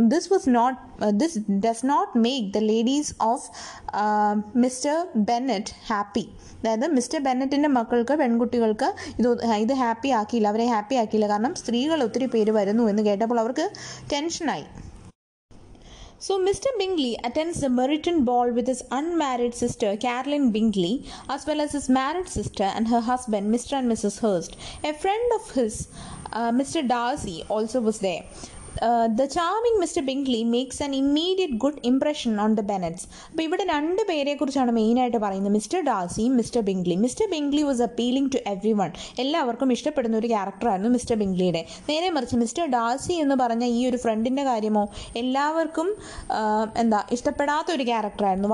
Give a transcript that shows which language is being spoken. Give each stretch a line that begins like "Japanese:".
English: This does not make the ladies of Mr. Bennet happy.
Malayalam: അതായത് mister ബെന്നറ്റിൻ്റെ മക്കൾക്ക് പെൺകുട്ടികൾക്ക് ഇത് ഹാപ്പി ആക്കിയില്ല, അവരെ ഹാപ്പി ആക്കിയില്ല. കാരണം സ്ത്രീകൾ ഒത്തിരി പേര് വരുന്നു എന്ന് കേട്ടപ്പോൾ അവർക്ക് ടെൻഷനായി.
English: So Mr. Bingley attends the Meryton ball with his unmarried sister Caroline Bingley as well as his married sister and her husband Mr. and Mrs. Hurst. A friend of his, Mr. Darcy, also was there. The charming Mr. Bingley makes an immediate good impression on the Bennets.
Malayalam: അപ്പോൾ ഇവിടെ രണ്ട് പേരെക്കുറിച്ചാണ് മെയിനായിട്ട് പറയുന്നത്, mister ഡാർസിയും mister Bingley. Mister Bingley
English: was appealing to everyone,
Malayalam: എല്ലാവർക്കും ഇഷ്ടപ്പെടുന്ന ഒരു ക്യാരക്ടറായിരുന്നു mister ബിംഗ്ലിയുടെ. നേരെ മറിച്ച് മിസ്റ്റർ ഡാർസി എന്ന് പറഞ്ഞ ഈ ഒരു ഫ്രണ്ടിൻ്റെ കാര്യമോ എല്ലാവർക്കും എന്താ ഇഷ്ടപ്പെടാത്ത ഒരു ക്യാരക്ടറായിരുന്നു.